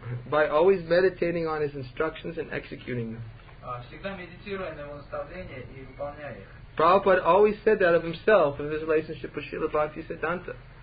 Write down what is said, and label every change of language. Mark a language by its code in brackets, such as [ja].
[en] By always meditating on his instructions and executing them. [ru] Всегда медитируя на его наставления и выполняя их. [en] Prabhupada always said that of himself in his relationship with Srila Bhaktisiddhanta.